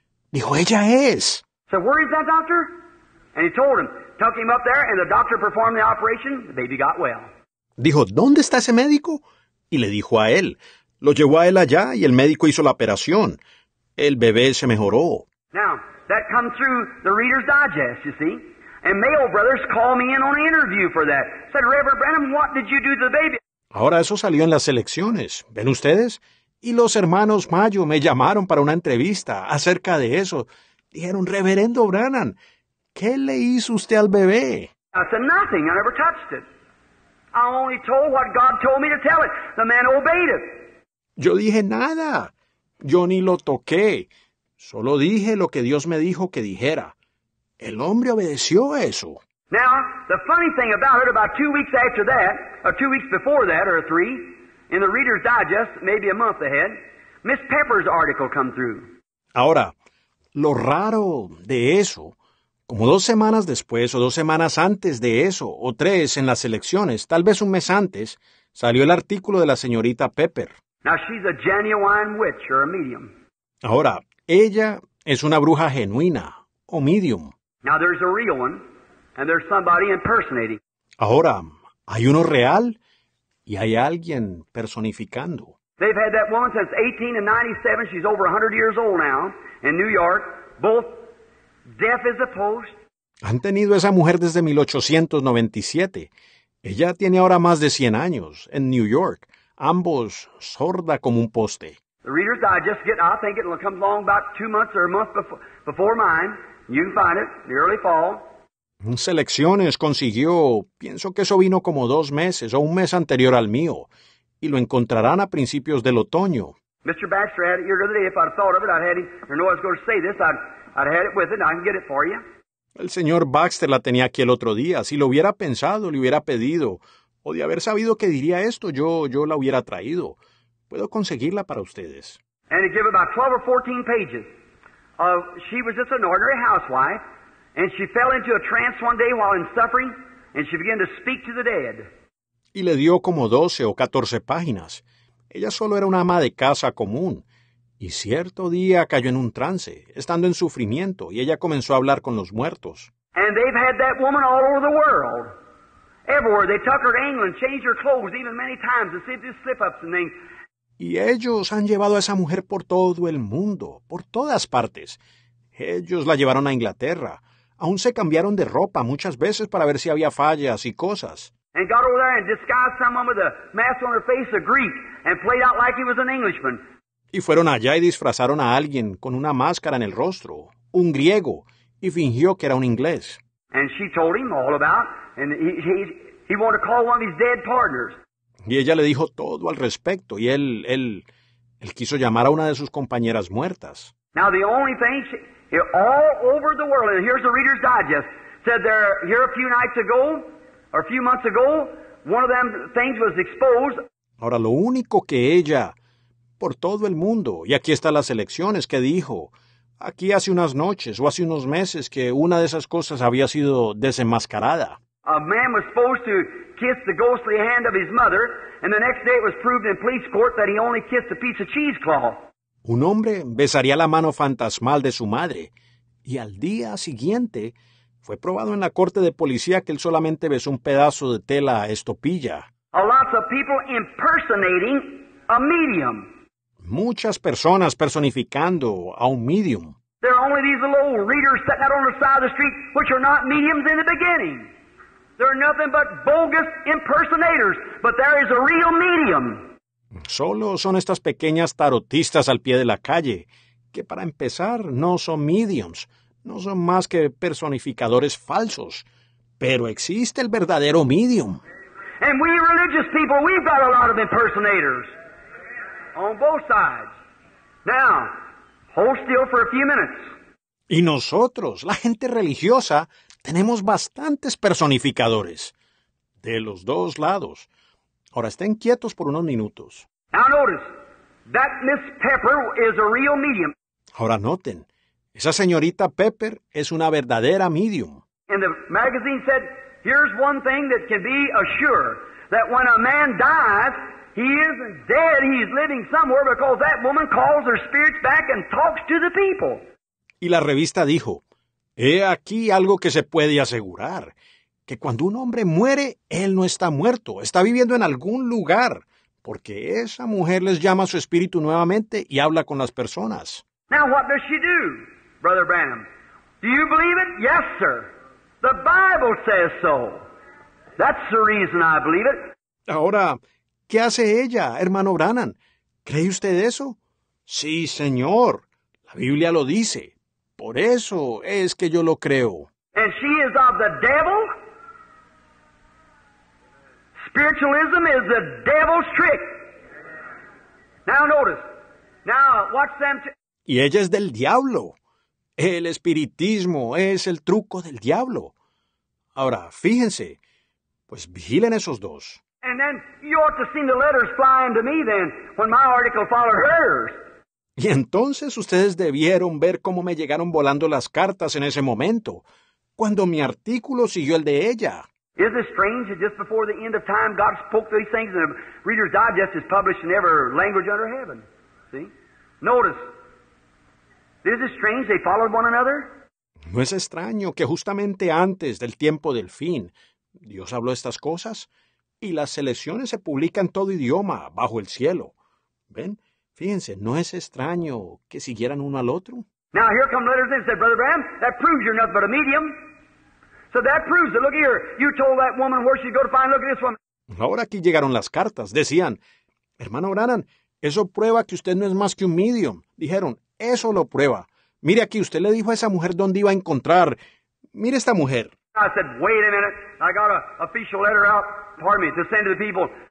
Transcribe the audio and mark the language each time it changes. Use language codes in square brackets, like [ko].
[es] Dijo, "Ella es." [en] So where is that doctor? And he told him, took him up there, and the doctor performed the operation, the baby got well. [es] Dijo, "¿Dónde está ese médico?" Y le dijo a él. Lo llevó a él allá, y el médico hizo la operación. El bebé se mejoró. [en] Now, that comes through the Reader's Digest, you see. And Mayo Brothers called me in on an interview for that. Said, "Reverend Branham, what did you do to the baby?" [es] Ahora eso salió en las elecciones. ¿Ven ustedes? Y los hermanos Mayo me llamaron para una entrevista acerca de eso. Dijeron, "Reverendo Branham, ¿qué le hizo usted al bebé?" [en] I said, "Nothing. I never touched it. I only told what God told me to tell it. The man obeyed it." [es] Yo dije, "Nada. Yo ni lo toqué. Solo dije lo que Dios me dijo que dijera. El hombre obedeció eso. [en] Now, the funny thing about it, about 2 weeks after that, or 2 weeks before that, or three, in the Reader's Digest, maybe a month ahead, Miss Pepper's article come through. [es] Ahora, lo raro de eso, como 2 semanas después, o 2 semanas antes de eso, o 3 en las elecciones, tal vez un mes antes, salió el artículo de la señorita Pepper. [en] Now, she's a genuine witch or a medium. [es] Ahora, ella es una bruja genuina, o medium. [en] Now, there's a real one, and there's somebody impersonating. [es] Ahora, hay uno real, y hay alguien personificando. [en] They've had that woman since 1897. She's over 100 years old now, in New York. Both deaf as a post. [es] Han tenido esa mujer desde 1897. Ella tiene ahora más de 100 años, en New York. Ambos sorda como un poste. [en] The Reader's Digest, I think it'll come along about 2 months or a month before mine. You can find it, the early fall. [es] Selecciones consiguió, pienso que eso vino como 2 meses o un mes anterior al mío, y lo encontrarán a principios del otoño. [en] Mr. Baxter had it here the other day. If I'd thought of it, I'd had it, or no, I was going to say this, I'd had it with it, I can get it for you. [es] El señor Baxter la tenía aquí el otro día. Si lo hubiera pensado, le hubiera pedido, o de haber sabido que diría esto, yo la hubiera traído. Puedo conseguirla para ustedes. [en] And it gave about 12 or 14 pages. She was just an ordinary housewife. And she fell into a trance one day while in suffering, and she began to speak to the dead. [es] Y le dio como 12 o 14 páginas. Ella solo era una ama de casa común. Y cierto día cayó en un trance, estando en sufrimiento, y ella comenzó a hablar con los muertos. [en] And they've had that woman all over the world. Everywhere. They took her to England, changed her clothes, even many times, to see if there's slip-ups and things. [es] Y ellos han llevado a esa mujer por todo el mundo, por todas partes. Ellos la llevaron a Inglaterra. Aún se cambiaron de ropa muchas veces para ver si había fallas y cosas. [en] And got over there and disguised someone with a mask on her face, a Greek, and played out like he was an Englishman. [es] Y fueron allá y disfrazaron a alguien con una máscara en el rostro, un griego, y fingió que era un inglés. [en] And she told him all about, and he wanted to call one of his dead partners. [es] Y ella le dijo todo al respecto, y él quiso llamar a una de sus compañeras muertas. [en] Now the only thing she... All over the world, and here's the Reader's Digest, said there, here a few nights ago, or a few months ago, one of them things was exposed. [es] Ahora, lo único que ella, por todo el mundo, y aquí están las elecciones, que dijo, aquí hace unas noches, o hace unos meses, que una de esas cosas había sido desenmascarada. [en] A man was supposed to kiss the ghostly hand of his mother, and the next day it was proved in police court that he only kissed a piece of cheesecloth. [es] Un hombre besaría la mano fantasmal de su madre, y al día siguiente fue probado en la corte de policía que él solamente besó un pedazo de tela estopilla. [en] A lot of people impersonating a medium. [es] Muchas personas personificando a un medium. [en] There are only these little old readers sitting out on the side of the street, which are not mediums in the beginning. They're nothing but bogus impersonators, but there is a real medium. [es] Solo son estas pequeñas tarotistas al pie de la calle, que para empezar no son mediums, no son más que personificadores falsos, pero existe el verdadero medium. [en] And we religious people, we've got a lot of impersonators on both sides. Now, hold still for a few minutes. [es] Y nosotros, la gente religiosa, tenemos bastantes personificadores de los dos lados. Ahora estén quietos por unos minutos. [en] Now notice, that Miss Pepper is a real medium. [es] Ahora noten, esa señorita Pepper es una verdadera medium. [en] And the magazine said, here's one thing that can be assured, that when a man dies, he isn't dead, he's living somewhere, because that woman calls her spirits back and talks to the people. [es] Y la revista dijo, he aquí algo que se puede asegurar, que cuando un hombre muere, él no está muerto, está viviendo en algún lugar. Porque esa mujer les llama a su espíritu nuevamente y habla con las personas. [en] Now, what does she do, Brother Branham? Do you believe it? Yes, sir. The Bible says so. That's the reason I believe it. [es] Ahora, ¿qué hace ella, hermano Branham? ¿Cree usted eso? Sí, señor. La Biblia lo dice. Por eso es que yo lo creo. [en] And she is of the devil? Spiritualism is the devil's trick. Now notice. Now watch them. [es] y ella es del diablo. El espiritismo es el truco del diablo. Ahora, fíjense, pues vigilen esos dos. [en] And then you ought to see the letters flying to me then, when my article followed hers. [es] Y entonces ustedes debieron ver cómo me llegaron volando las cartas en ese momento, cuando mi artículo siguió el de ella. [en] Isn't it strange that just before the end of time, God spoke these things and the Reader's Digest is published in every language under heaven? See? Notice. Isn't it strange they followed one another? [es] ¿No es extraño que justamente antes del tiempo del fin, Dios habló estas cosas? Y las selecciones se publican en todo idioma bajo el cielo. ¿Ven? Fíjense, ¿no es extraño que siguieran uno al otro? [en] Now here come letters and said, Brother Bram, that proves you're nothing but a medium. So that proves it. Look here, you told that woman where she'd go to find, look at this woman. [es] Ahora aquí llegaron las cartas. Decían, hermano Branham, eso prueba que usted no es más que un medium. Dijeron, eso lo prueba. Mire aquí, usted le dijo a esa mujer dónde iba a encontrar. Mire esta mujer. [en] I said, wait a minute, I got an official letter out. Pardon me, to send to the people.